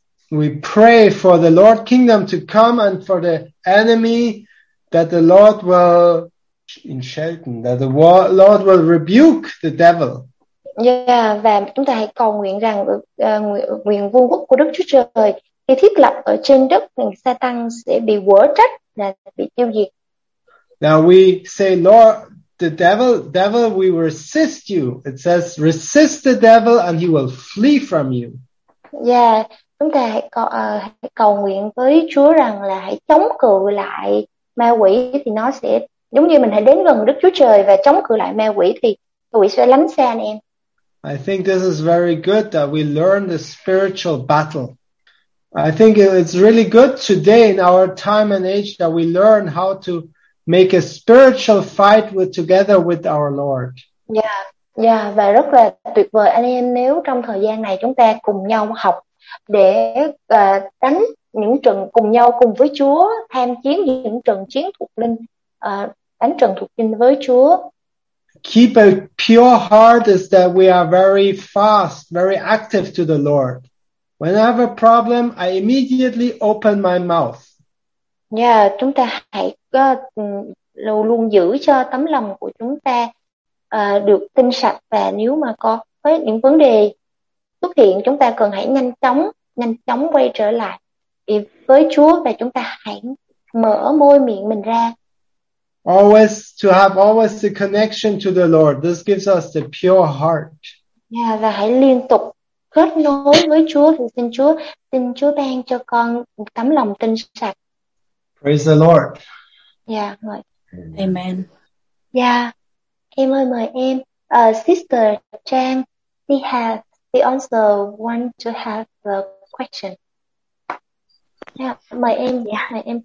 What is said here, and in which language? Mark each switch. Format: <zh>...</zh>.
<en>We pray for the Lord's kingdom to come and for the enemy, that the Lord will in Shelton, that the Lord will rebuke the devil.</en> <vi>Yeah, và chúng ta hãy cầu nguyện rằng nguyện vương quốc của Đức Chúa Trời khi thiết lập ở trên đất, thần Satan sẽ bị quở trách, là bị tiêu diệt.</vi> <en>Now we say, Lord, the devil, we resist you. It says, resist the devil and he will flee from you.</en> <vi>Yeah, chúng ta hãy cầu nguyện với Chúa rằng là hãy chống cự lại ma quỷ, thì nó sẽ giống như mình hãy đến gần Đức Chúa Trời và chống cự lại ma quỷ thì quỷ sẽ lánh xa anh em.</vi> <en>I think this is very good that we learn the spiritual battle. I think it's really good today in our time and age that we learn how to make a spiritual fight together with our Lord.</en> <vi>Yeah, và rất là tuyệt vời anh em nếu trong thời gian này chúng ta cùng nhau học để đánh những trận cùng nhau cùng với Chúa, tham chiến những trận chiến thuộc linh, đánh trận thuộc linh với Chúa.</vi> <en>Keep a pure heart is that we are very fast, very active to the Lord. When I have a problem, I immediately open my mouth.</en> <vi>Yeah, chúng ta hãy luôn giữ cho tấm lòng của chúng ta được tinh sạch, và nếu mà có những vấn đề xuất hiện, chúng ta cần hãy nhanh chóng quay trở lại với Chúa và chúng ta hãy mở môi miệng mình ra.</vi> <en>Always to have always the connection to the Lord. This gives us the pure heart.</en> <vi>Yeah, và hãy liên tục kết nối với Chúa. Xin Chúa ban cho con tấm lòng tinh sạch.</vi> <en>Praise the Lord.</en> <vi>Yeah, mời.</vi> <en>Amen. Yeah,</en> <vi>em ơi mời em.</vi> <en>Sister Trang, she also want to have a question. Yeah,</en> <vi>mời em.</vi> <en>Yeah,</en> <vi>em</vi>